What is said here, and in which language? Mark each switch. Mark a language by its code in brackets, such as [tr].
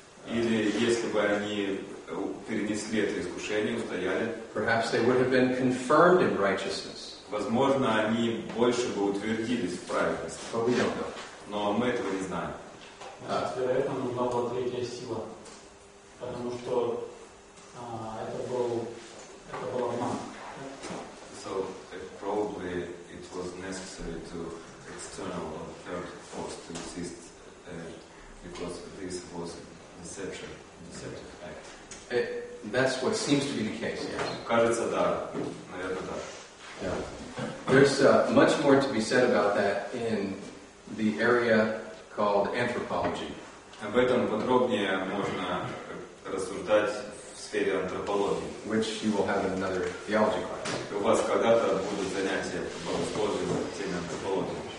[ru] Или если бы они перенесли это искушение, устояли. [en] Perhaps they would have been confirmed in righteousness. [ru] Возможно, они больше бы утвердились в праведности. [en] But we don't know. [ru] Но мы этого не знаем. Вероятно, нужна была третья сила. Потому что это был обман. [en] So probably it was necessary to external or third force to exist because this was deception, deceptive act. That's what seems to be the case, yes. [ru] Кажется, да. Наверное, да. [en] There's much more to be said about that in the area called anthropology. [ru] Об этом подробнее можно рассуждать в сфере антропологии. [en] Which you will have in another theology class. [ru] У вас когда-то будут занятия по богословию в теме антропологии.